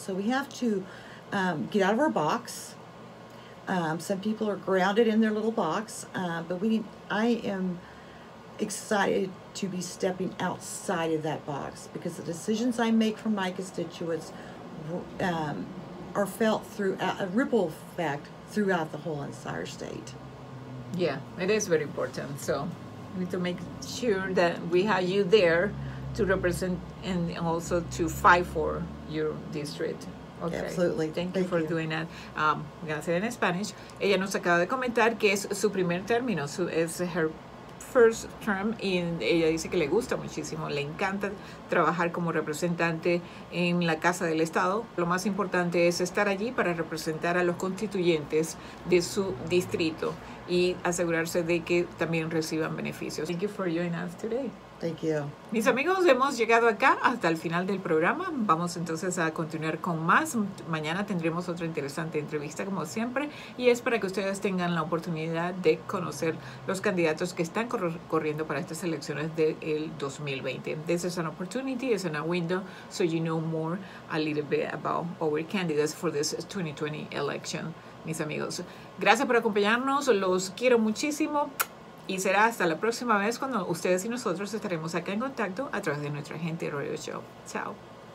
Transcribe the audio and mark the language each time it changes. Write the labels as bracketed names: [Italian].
[English] So we have to get out of our box. Some people are grounded in their little box, but I am excited to be stepping outside of that box because the decisions I make for my constituents are felt through a ripple effect throughout the whole entire state. Yeah, it is very important. So we need to make sure that we have you there to represent and also to fight for your district. Okay. Absolutely. Thank you for doing that. Gracias en Spanish. [Spanish] Ella nos acaba de comentar que es su primer término. Es [English] her first term [Spanish] y ella dice que le gusta muchísimo. Le encanta trabajar como representante en la Casa del Estado. Lo más importante es estar allí para representar a los constituyentes de su distrito y asegurarse de que también reciban beneficios. [English] Thank you for joining us today. Thank you. [Spanish] Mis amigos, hemos llegado acá hasta el final del programa. Vamos entonces a continuar con más. Mañana tendremos otra interesante entrevista, como siempre, y es para que ustedes tengan la oportunidad de conocer los candidatos que están corriendo para estas elecciones del 2020. [English] This is an opportunity, it's in a window, so you know more a little bit about our candidates for this 2020 election. [Spanish] Mis amigos, gracias por acompañarnos, los quiero muchísimo y será hasta la próxima vez cuando ustedes y nosotros estaremos acá en contacto a través de Nuestra Gente Radio Show. Chao.